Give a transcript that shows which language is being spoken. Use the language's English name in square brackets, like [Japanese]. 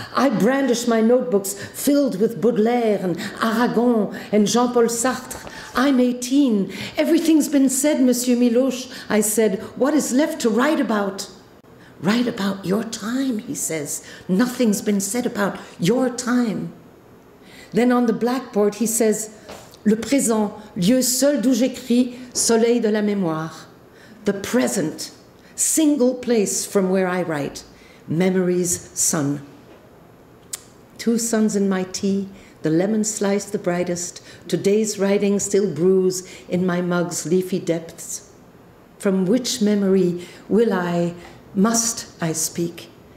[English] I brandish my notebooks filled with Baudelaire and Aragon and Jean-Paul Sartre. I'm 18. Everything's been said, Monsieur Miloš, I said. What is left to write about? Write about your time, he says. Nothing's been said about your time. [French] Then on the blackboard, he says, Le présent, lieu seul d'où j'écris, soleil de la mémoire. [English] The present, single place from where I write, memory's sun. Two suns in my tea, the lemon slice the brightest, today's writing still brews in my mug's leafy depths. From which memory will I, must I speak?